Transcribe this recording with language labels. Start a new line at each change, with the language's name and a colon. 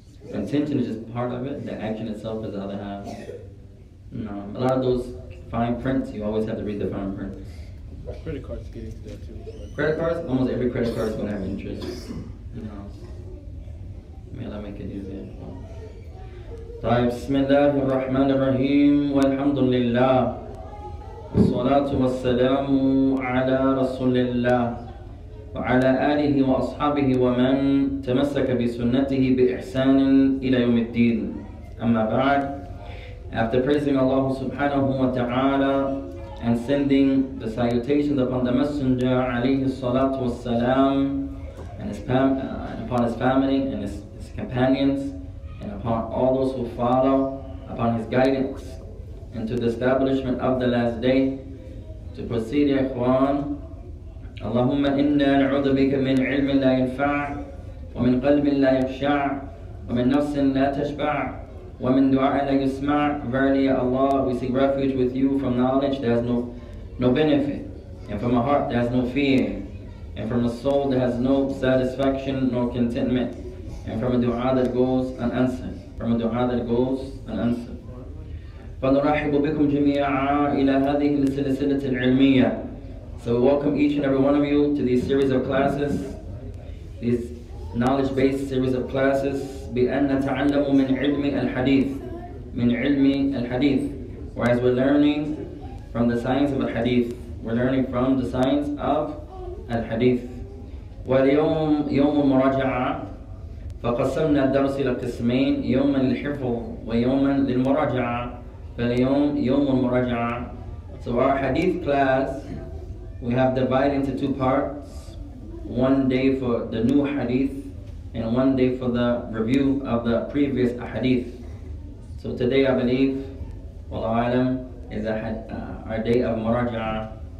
English: Intention is just part of it. The action itself is the other half. No, a lot of those fine prints, you always have to read the fine print. Credit cards get into that too. Right? Credit cards? Almost every credit card is going to have interest. No. May Allah make it easier.
Arabic: طيب بسم الله الرحمن الرحيم والحمد لله والصلاة والسلام على رسول الله وعلى آله وأصحابه ومن تمسك بسنته بإحسان إلى يوم الدين أما بعد.
English: After praising Allah subhanahu wa ta'ala and sending the salutations upon the Messenger alayhi salatu wassalam and upon his family and his companions and upon all those who follow upon his guidance and to the establishment of the last day, to proceed, ya ikhwan.
Arabic: Allahumma inna na'udhu bika min ilmin la yinfa' wa min qalbin la yakhsha' wa min nafsin la tashba'. وَمِنْ دُعَاءَ لَا يُسْمَعْ.
English: Verily, Ya Allah, we seek refuge with you from knowledge that has no benefit, and from a heart that has no fear, and from a soul that has no satisfaction nor contentment, and from a dua that goes unanswered, from a dua that goes unanswered.
Arabic: فَنُرَحِبُ بِكُمْ جَمِيعًا إِلَى هَذِهِ السِّلْسِلَةِ الْعِلْمِيَةِ.
English: So we welcome each and every one of you to these series of classes, these knowledge-based series of classes.
Arabic: بأن تعلم من علم الحديث من علم الحديث.
English: Whereas we're learning from the science of al-hadith, we're learning from the science of al-hadith.
Arabic: واليوم يوم المراجعة فقسمنا الدرس إلى قسمين يوما للحفظ ويوما للمراجعة فاليوم يوم المراجعة.
English: So our hadith class, we have divided into two parts. One day for the new hadith and one day for the review of the previous ahadith. So today I believe, wallahu alam, is our day of muraja'ah.